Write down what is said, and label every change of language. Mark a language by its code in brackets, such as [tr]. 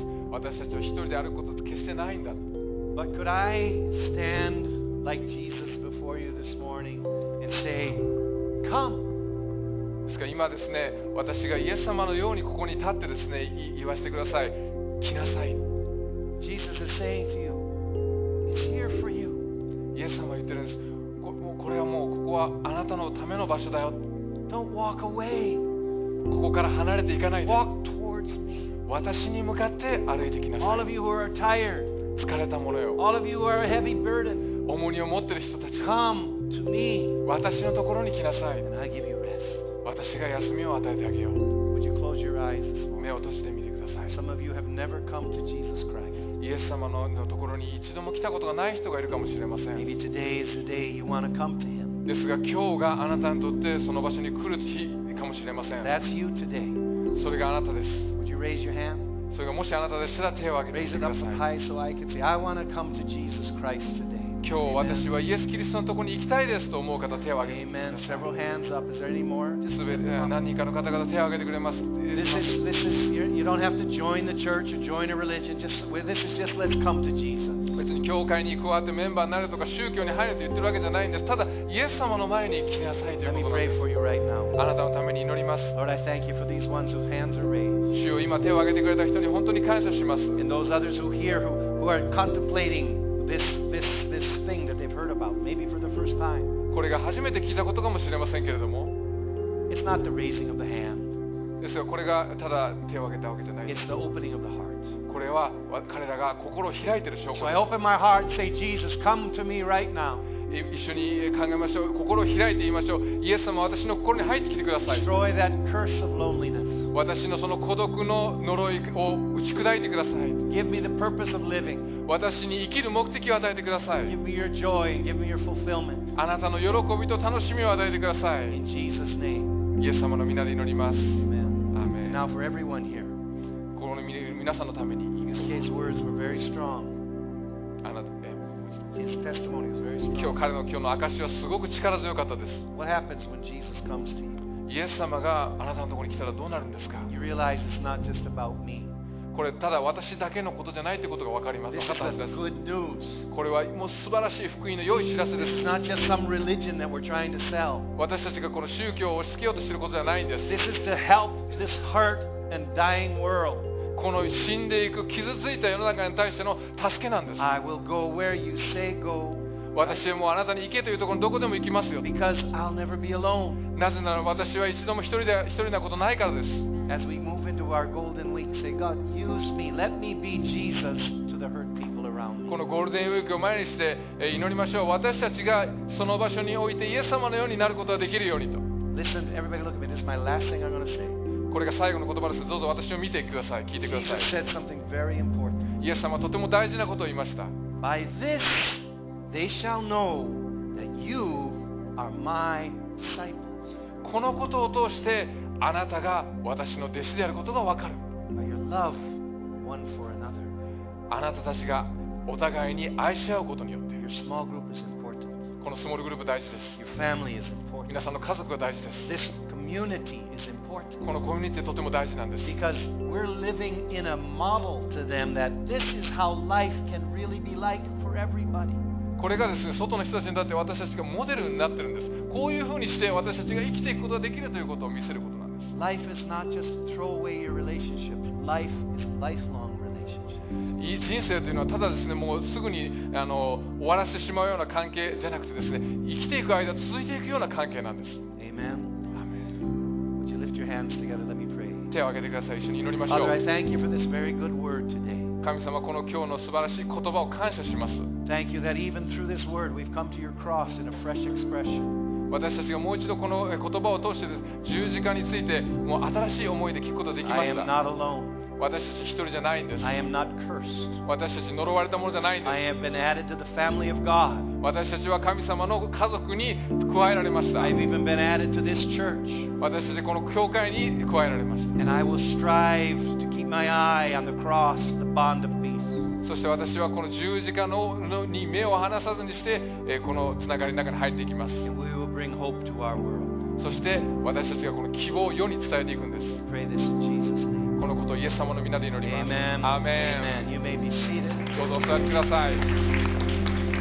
[ja] 私たちは一人であることって決してないんだ。 [en] But could I stand like Jesus before you this morning and say, Come? [ja] ですから今ですね、私がイエス様のようにここに立ってですね、言わせてください。来なさい。 [en] Jesus is saying to you, It's here for you. [ja] イエス様は言ってるんです。もうこれはもうここはあなたのための場所だよ。 [en] Don't walk away. [ja] ここから離れていかないで。 [en] Walk towards me. [ja] 私に向かって歩いてきなさい。 [en] All of you who are tired, [ja] 疲れた者よ。 [en] All of you who are a heavy burden, [ja] 重荷を持っている人たち。 [en] Come to me, [ja] 私のところに来なさい。 [en] And I give you rest. [ja] 私が休みを与えてあげよう。 [en] Would you close your eyes this morning? [ja] 目を閉じてみてください。 [en] Some of you have never come to Jesus Christ. [ja] イエス様のところに一度も来たことがない人がいるかもしれません。 [en] Maybe today is the day you want to come to him. [ja] ですが今日があなたにとってその場所に来る日かもしれません。 [en] That's you today. [ja] それがあなたです。 [en] Raise your hand. [ja] それがもしあなたでしたら手を挙げてください。 [en] Raise it up high so I can see. I want to come to Jesus Christ today. [ja] 今日私はイエス・キリストのところに行きたいですと思う方手を挙げてください。何人かの方々手を挙げてくれます。別に教会に加わってメンバーになるとか宗教に入ると言ってるわけじゃないんです。ただイエス様の前に来なさいということなんです。あなたのために祈ります。 [en] Lord, I thank you for these ones whose hands are raised. [ja] 主よ、今手を挙げてくれた人に本当に感謝します。 [en] And those others who hear, who are contemplating this thing that they've heard about, maybe for the first time. [ja] これが初めて聞いたことかもしれませんけれども。 [en] It's not the raising of the hand. [ja] ですが、これがただ手を挙げたわけじゃないです。 [en] It's the opening of the heart. [ja] これは彼らが心を開いている証拠。 [en] So I open my heart and say, Jesus, come to me right now. [ja] 一緒に考えましょう。心を開いて言いましょう。イエス様、私の心に入ってきてください。 [en] Destroy that curse of loneliness. [ja] 私のその孤独の呪いを打ち砕いてください。 [en] Give me the purpose of living. [ja] 私に生きる目的を与えてください。 [en] Give me your joy and give me your fulfillment. [ja] あなたの喜びと楽しみを与えてください。 [en] In Jesus' name. [ja] イエス様の皆で祈ります。 [en] Amen. Amen. Now for everyone here. [ja] この皆さんのために。 [en] His words were very strong. [ja] あなた。 [en] His testimony is very strong. [ja] 今日彼の今日の証しはすごく力強かったです。 [en] What happens when Jesus comes to you? [ja] イエス様があなたのところに来たらどうなるんですか? [en] You realize it's not just about me. [ja] これただ私だけのことじゃないということが分かります。 [en] This is the good news. [ja] これはもう素晴らしい福音の良い知らせです。 [en] It's not just some religion that we're trying to sell. [ja] 私たちがこの宗教を押し付けようとしていることじゃないんです。 [en] This is to help this hurt and dying world. [ja] この死んでいく傷ついた世の中に対しての助けなんです。 [en] I will go where you say go. [ja] 私はもうあなたに行けというところにどこでも行きますよ。 [en] Because I'll never be alone. [ja] なぜなら私は一度も一人なことないからです。 [en] As we move into our golden week, say God, use me. Let me be Jesus to the hurt people around me. [ja] このゴールデンウィークを前にして祈りましょう。私たちがその場所においてイエス様のようになることができるようにと。 [en] Listen, everybody, look at me. This is my last thing I'm going to say. [ja] これが最後の言葉です。どうぞ私を見てください。聞いてください。イエス様はとても大事なことを言いました。 [en] By this they shall know that you are my disciples. [ja] このことを通してあなたが私の弟子であることがわかる。 [en] By your love one for another. [ja] あなたたちがお互いに愛し合うことによって。 [en] Your small group is important. [ja] このスモールグループ大事です。 [en] Your family is important. [ja] 皆さんの家族が大事です。 [en] This community [ja] このコミュニティとても大事なんです。 [en] Because we're living in a model to them that this is how life can really be like for everybody. [ja] これがですね、外の人たちにとって私たちがモデルになってるんです。こういうふうにして私たちが生きていくことができるということを見せることなんです。 [en] Life is not just throw away your relationship. Life is a lifelong relationship. [ja] いい人生というのはただですね、もうすぐに終わらせてしまうような関係じゃなくてですね、生きていく間続いていくような関係なんです。 [en] Amen. Hands together, let me pray. [ja] 手を挙げてください。一緒に祈りましょう。 [en] Father, I thank you for this very good word today. [ja] 神様、この今日の素晴らしい言葉を感謝します。 [en] Thank you that even through this word, we've come to your cross in a fresh expression. [ja] 私たちがもう一度この言葉を通して十字架についてもう新しい思いで聞くことができました。 [en] I am not alone. [ja] 私たち一人じゃないんです。 [en] I am not cursed. [ja] 私たち呪われたものじゃないんです。 [en] I have been added to the family of God. [ja] 私たちは神様の家族に加えられました。 [en] I've even been added to this church. [ja] 私たちこの教会に加えられました。 [en] And I will strive to keep my eye on the cross, the bond of peace. [ja] そして私はこの十字架のに目を離さずにしてこのつながりの中に入っていきます。 [en] And we will bring hope to our world. [ja] そして私たちがこの希望を世に伝えていくんです。 [en] Pray this in Jesus' name. [ja] このことをイエス様の皆で祈ります。 [en] Amen. Amen. Amen. You may be seated. [ja] どうぞお座りください。